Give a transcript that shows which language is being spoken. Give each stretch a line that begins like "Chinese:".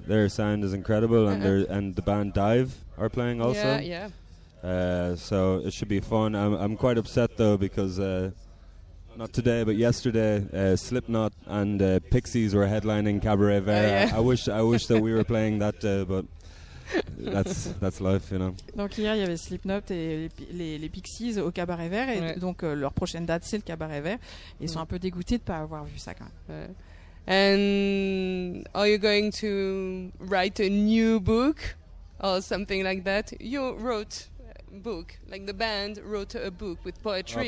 English: Their sound is incredible, and the band Dive are playing also. Yeah. So it should be fun. I'm quite upset though because not today, but yesterday, Slipknot and Pixies were headlining Cabaret Vert. I wish that we were playing that day, but that's life, you know.
French: Donc hier, il y avait Slipknot et les Pixies au Cabaret Vert, et donc leur prochaine date, c'est le Cabaret Vert. Ils sont un peu dégoûtés de pas avoir vu ça quand même.
English: And are you going to write a new book or something like that? You wrote a book, like the band wrote a book with poetry.